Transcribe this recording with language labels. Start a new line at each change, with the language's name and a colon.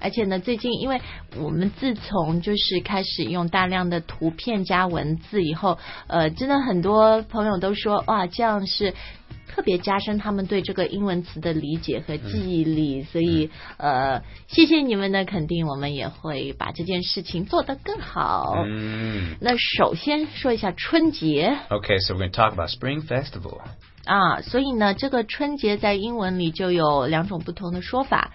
Chinese: 而且呢最近因为我们自从就是开始用大量的图片加文字以后真的很多朋友都说哇这样是特别加深他们对这个英文词的理解和记忆力、所以谢谢你们的肯定我们也会把这件事情做得更好、那首先说一下春节
English: Okay, so we're going to talk about Spring Festival
Chinese: 啊，所以呢这个春节在英文里就有两种不同的说法